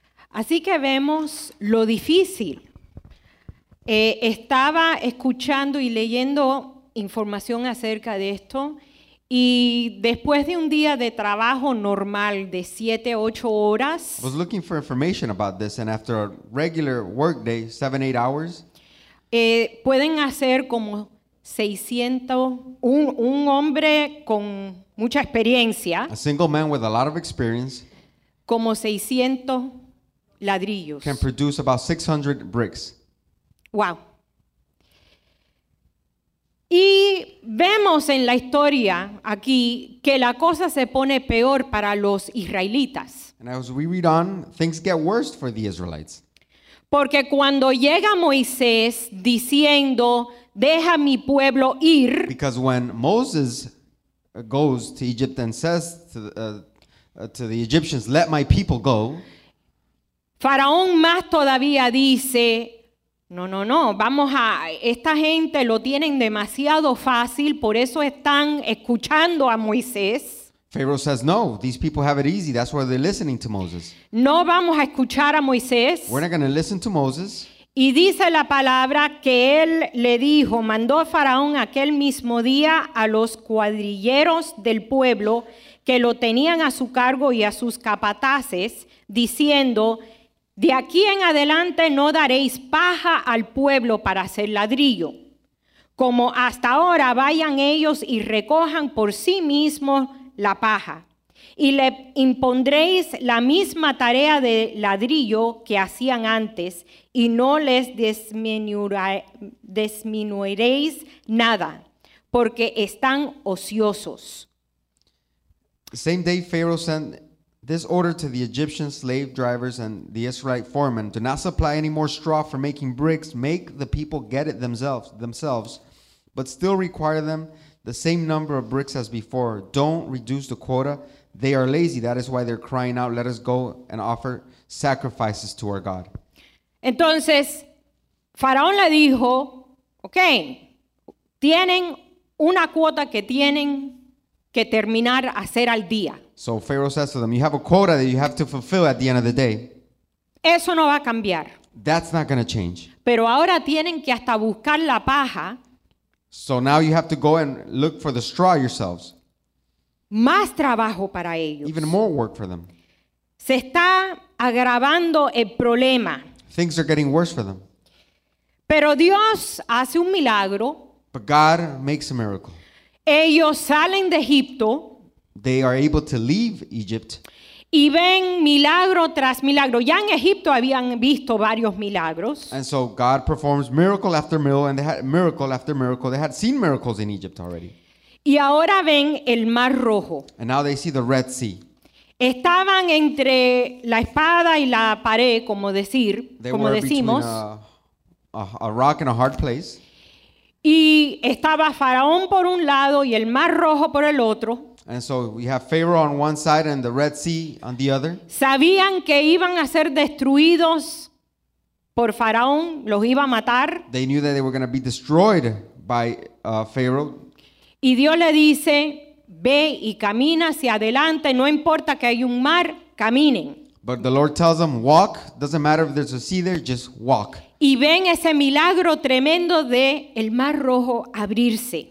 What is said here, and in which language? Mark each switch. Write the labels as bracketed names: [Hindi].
[Spanish] Así que vemos lo difícil. Estaba escuchando y leyendo información acerca de esto y después de un día de trabajo normal de 7-8 horas, [English] I was looking for information about this, and after a regular work day, 7-8 hours, [Spanish] pueden hacer como 600, un hombre con mucha experiencia, [English] a single man with a lot of experience, [Spanish] como 600 ladrillos. [English] Can produce about 600 bricks. Wow. [Spanish] Y vemos en la historia aquí que la cosa se pone peor para los israelitas. [English] And as we read on, things get worse for the Israelites. [Spanish] Porque cuando llega Moisés diciendo, deja mi pueblo ir. [English] Because when Moses goes to Egypt and says to the Egyptians, let my people go. [Spanish] Faraón más todavía dice, no, vamos a, esta gente lo tienen demasiado fácil, por eso están escuchando a Moisés. [English] Pharaoh says, no, these people have it easy, that's why they're listening to Moses. [Spanish] No vamos a escuchar a Moisés. [English] We're not going to listen to Moses. [Spanish] Y dice la palabra que él le dijo, mandó a Faraón aquel mismo día a los cuadrilleros del pueblo que lo tenían a su cargo y a sus capataces, diciendo, de aquí en adelante no daréis paja al pueblo para hacer ladrillo. Como hasta ahora vayan ellos y recojan por sí mismos la paja. Y le impondréis la misma tarea de ladrillo que hacían antes, y no les disminuiréis nada, porque están ociosos. [English] Same day Pharaoh sent this order to the Egyptian slave drivers and the Israelite foremen, do not supply any more straw for making bricks, make the people get it themselves, but still require them the same number of bricks as before. Don't reduce the quota. They are lazy. That is why they're crying out, let us go and offer sacrifices to our God. [Spanish] Entonces, Faraón le dijo, okay, tienen una cuota que tienen que terminar hacer al día. [English] So Pharaoh says to them, you have a quota that you have to fulfill at the end of the day. [Spanish] Eso no va a cambiar. [English] That's not going to change. [Spanish] Pero ahora tienen que hasta buscar la paja. [English] So now you have to go and look for the straw yourselves. [Spanish] Más trabajo para ellos. [English] Even more work for them. [Spanish] Se está agravando el problema. [English] Things are getting worse for them. [Spanish] Pero Dios hace un milagro. [English] But God makes a miracle. [Spanish] Ellos salen de Egipto. [English] They are able to leave Egypt. [Spanish] Y ven milagro tras milagro. Ya en Egipto habían visto varios milagros. [English] And so God performs miracle after miracle, and they had miracle after miracle. They had seen miracles in Egypt already. [Spanish] Y ahora ven el Mar Rojo. [English] And now they see the Red Sea. [Spanish] Estaban entre la espada y la pared, como decir, [English] they [Spanish] como decimos. [English] A rock and a hard place. [Spanish] Y estaba Faraón por un lado y el Mar Rojo por el otro. [English] And so we have Pharaoh on one side and the Red Sea on the other. [Spanish] Sabían que iban a ser destruidos por Faraón, los iba a matar. [English] They knew that they were going to be destroyed by Pharaoh. [Spanish] Y Dios le dice, ve y camina hacia adelante, no importa que haya un mar, caminen. [English] But the Lord tells them, walk, doesn't matter if there's a sea there, just walk. [Spanish] Y ven ese milagro tremendo de el Mar Rojo abrirse.